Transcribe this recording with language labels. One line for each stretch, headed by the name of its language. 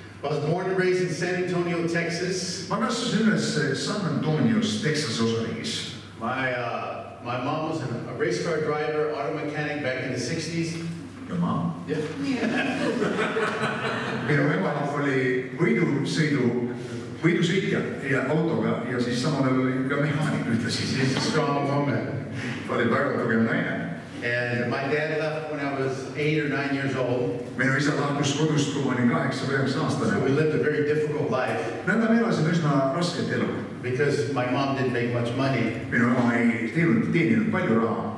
English: I was born and raised in San Antonio, Texas.
Estonian: Ma kasvas üles San Antonios, Texas osariigis.
English: My mom was a race car driver, auto mechanic back in the 60s. Your mom? Yeah.
Estonian: Minu ema oli võidusõidu, võidusõitja ja autoga ja siis samal ajal oli ka mehaanik ühtlasi.
English: She's a strong woman.
Estonian: Oli väga tugev naine.
English: And my dad left when I was 8 or 9 years old.
Estonian: Minu isa lahkus kodust, kui ma olin 8 või 9 aastane.
English: So we lived a very difficult life.
Estonian: Nõnda me elasin üsna rasket elu.
English: Because my mom didn't make much money.
Estonian: Minu ema ei teeninud palju raha.